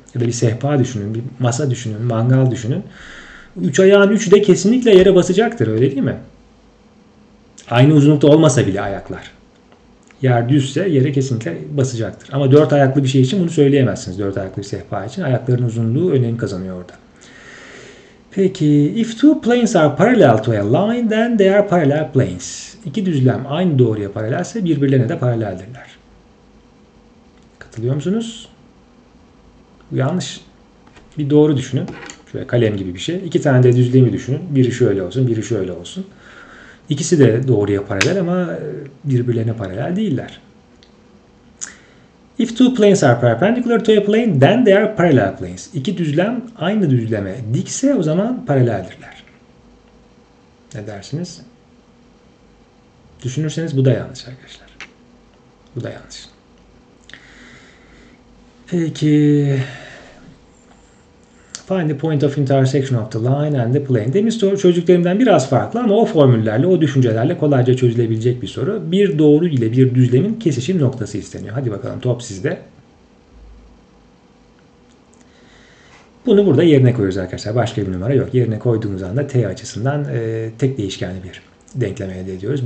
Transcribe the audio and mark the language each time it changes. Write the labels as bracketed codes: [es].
[tr] Ya da bir sehpa düşünün, bir masa düşünün, mangal düşünün. 3 ayağın 3'ü de kesinlikle yere basacaktır, öyle değil mi? Aynı uzunlukta olmasa bile ayaklar. Yer düzse yere kesinlikle basacaktır. Ama 4 ayaklı bir şey için bunu söyleyemezsiniz. 4 ayaklı bir sehpa için ayakların uzunluğu önem kazanıyor orada. [en] Peki, if two planes are parallel to a line, then they are parallel planes. [tr] İki düzlem aynı doğruya paralelse birbirlerine de paraleldirler. Katılıyor musunuz? Bu yanlış. Bir doğru düşünün. Şöyle kalem gibi bir şey. İki tane de düzlemi düşünün. Biri şöyle olsun, biri şöyle olsun. İkisi de doğruya paralel ama birbirlerine paralel değiller. [en] If two planes are perpendicular to a plane, then they are parallel planes. [tr] İki düzlem aynı düzleme dikse o zaman paraleldirler. Ne dersiniz? Düşünürseniz bu da yanlış arkadaşlar. Bu da yanlış. Peki. [en] Find the point of intersection of the line and the plane. [tr] Demin çözdüklerimden biraz farklı ama o formüllerle, o düşüncelerle kolayca çözülebilecek bir soru. Bir doğru ile bir düzlemin kesişim noktası isteniyor. Hadi bakalım, top sizde. Bunu burada yerine koyuyoruz arkadaşlar. Başka bir numara yok. Yerine koyduğumuz anda t açısından tek değişkenli bir denklem elde ediyoruz.